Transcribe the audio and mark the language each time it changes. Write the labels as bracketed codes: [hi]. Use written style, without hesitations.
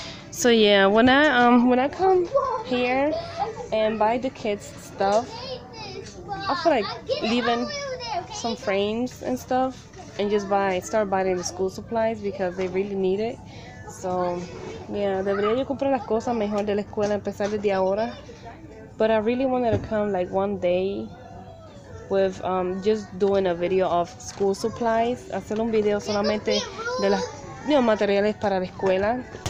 [en] So yeah, when I come here and buy the kids stuff, I feel like leaving some frames and stuff. And just start buying the school supplies because they really need it. [es] So, yeah, debería yo comprar las cosas mejor de la escuela empezar desde ahora. [en] But I really wanted to come like one day with just doing a video of school supplies. [es] Hacer un video solamente de las materiales para la escuela.